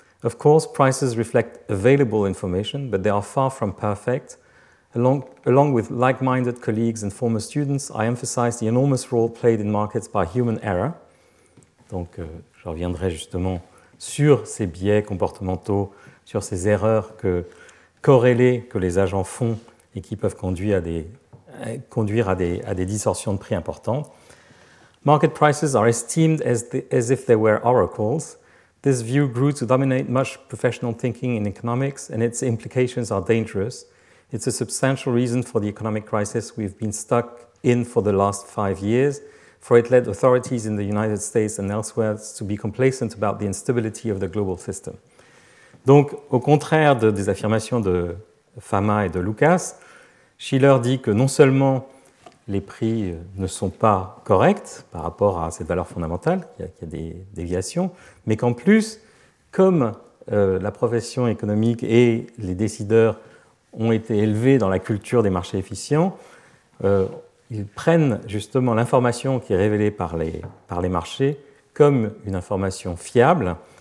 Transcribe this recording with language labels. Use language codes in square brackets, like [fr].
[en] Of course, prices reflect available information, but they are far from perfect. Along with like-minded colleagues and former students, I emphasize the enormous role played in markets by human error. [fr] Donc, je reviendrai justement sur ces biais comportementaux, sur ces erreurs corrélées que les agents font et qui peuvent conduire à des distorsions de prix importantes. [en] Market prices are esteemed as if they were oracles. This view grew to dominate much professional thinking in economics, and its implications are dangerous. It's a substantial reason for the economic crisis we've been stuck in for the last 5 years, for it led authorities in the United States and elsewhere to be complacent about the instability of the global system. [fr] Donc, au contraire des affirmations de Fama et de Lucas, Shiller dit que non seulement les prix ne sont pas corrects par rapport à cette valeur fondamentale, qu'il y a des déviations, mais qu'en plus, comme la profession économique et les décideurs ont été élevés dans la culture des marchés efficients, ils prennent justement l'information qui est révélée par les marchés comme une information fiable,